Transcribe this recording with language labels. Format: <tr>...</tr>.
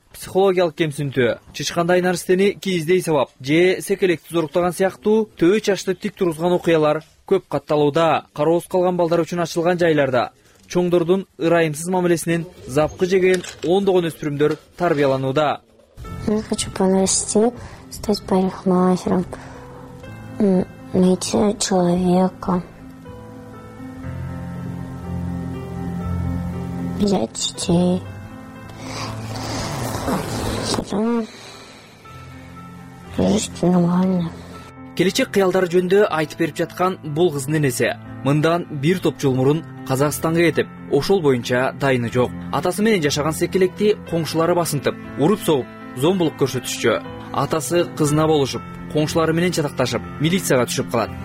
<ky>Психологиялык кемсинтүү, чычкандай наристени кийиздей сабап же секелекти зоруктаган сыяктуу төбө чачты тик тургузган окуялар көп катталууда. Кароосуз калган балдар үчүн ачылган жайларда чоңдордун ырайымсыз мамилесинен запкы жеген ондогон өспүрүмдөр тарбияланууда.</ky> <ru>Я хочу понарасти, стать парикмахером, найти человека, взять детей, потом жить нормально.</ru> <ky>Келечек кыялдары жөнүндө айтып берип жаткан бул кыздын энеси мындан бир топ жыл мурун Казакстанга кетип, ошол боюнча дайыны жок. Атасы менен жашаган секелекти коңшулары басынтып, уруп согуп, зомбулук көрсөтүшчү. Атасы кызына болушуп, коңшулары менен чатакташып, милицияга түшүп калат.</ky>